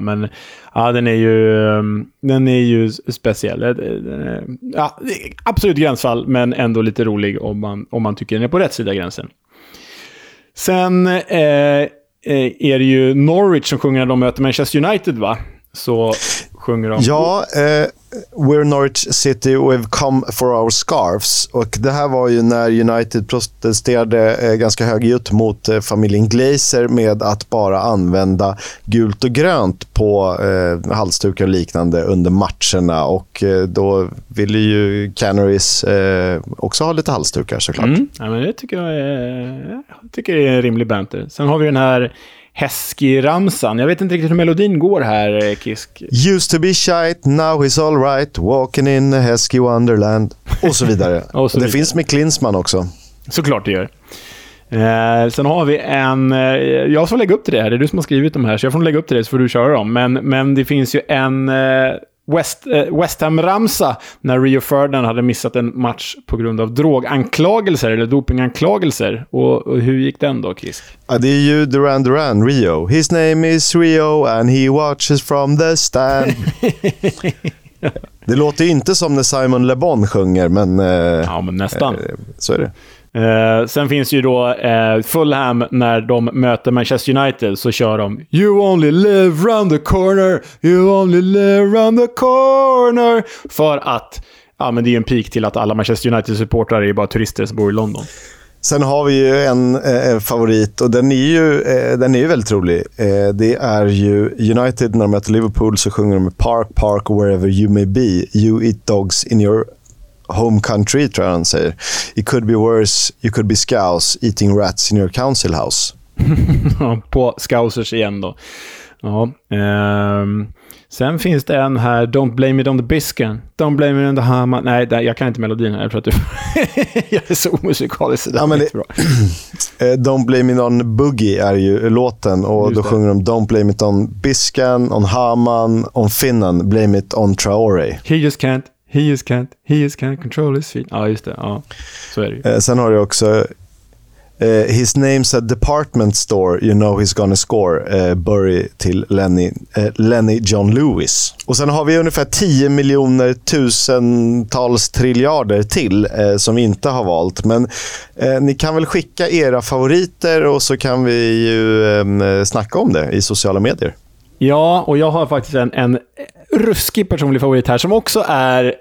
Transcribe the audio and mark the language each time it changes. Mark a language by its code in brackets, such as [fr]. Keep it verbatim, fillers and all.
[sv] Men ja, den är ju, den är ju speciell. Ja, absolut gränsfall, men ändå lite rolig om man, om man tycker den är på rätt sida gränsen. Sen eh, är det ju Norwich som sjunger när de möter Manchester United, va? Så sjunger de... [en] Ja, eh, We're Norwich City, we've come for our scarves. [sv] Och det här var ju när United protesterade eh, ganska högljutt mot eh, familjen Glazer med att bara använda gult och grönt på eh, halsdukar och liknande under matcherna. Och eh, då ville ju Canaries eh, också ha lite halsdukar såklart. Mm. Ja, men det tycker jag, eh, jag tycker det är en rimlig banter. Sen har vi den här... Heskey-ramsan. Jag vet inte riktigt hur melodin går här, Kisk. [en] Used to be shite, now he's all right. Walking in a Heskey Wonderland. [sv] Och så vidare. Och så det vidare. Finns med Klinsmann också. Såklart det gör. Eh, sen har vi en... Eh, jag får lägga upp till det här. Det är du som har skrivit dem här. Så jag får lägga upp till det så får du köra dem. Men, men det finns ju en... Eh, West, eh, West Ham-ramsa när Rio Ferdinand hade missat en match på grund av droganklagelser eller dopinganklagelser. Och, och hur gick den då, Chris? Ja, det är ju Duran Duran, Rio. [en] His name is Rio and he watches from the stand. [sv] Det låter ju inte som när Simon Le Bon sjunger, men... Eh, ja, men nästan. Eh, så är det. Eh, sen finns ju då eh, Fulham när de möter Manchester United, så kör de [en] You only live round the corner, you only live round the corner. [sv] För att ja, men det är en pik till att alla Manchester United-supportrar är bara turister som bor i London. Sen har vi ju en eh, favorit och den är ju, eh, den är ju väldigt rolig. Eh, det är ju United när de möter Liverpool, så sjunger de [en] Park, Park, wherever you may be, you eat dogs in your home country, [sv] tror jag han säger. [en] It could be worse, you could be scouse eating rats in your council house. [sv] På scousers igen då. Ja. [en] Um, [sv] sen finns det en här, [en] Don't blame it on the biscuit, don't blame it on the hammer. [sv] Nej, där, jag kan inte melodin här för att du jag är så omusikalisk. Ja, men det, [en] Don't blame it on boogie [sv] är ju låten, och just då det. Sjunger de [en] Don't blame it on biscuit, on Haman, on Finnan, blame it on Traore. He just can't He just can't, he just can't control his feet. [sv] Ja, just det. Ja, så är det ju. Eh, sen har du också [en] Uh, his name's a department store, you know he's gonna score. [sv] Uh, Burry till Lenny, uh, Lenny John Lewis. Och sen har vi ungefär tio miljoner tusentals triljarder till eh, som inte har valt. Men eh, ni kan väl skicka era favoriter och så kan vi ju eh, snacka om det i sociala medier. Ja, och jag har faktiskt en, en ruskig personlig favorit här som också är...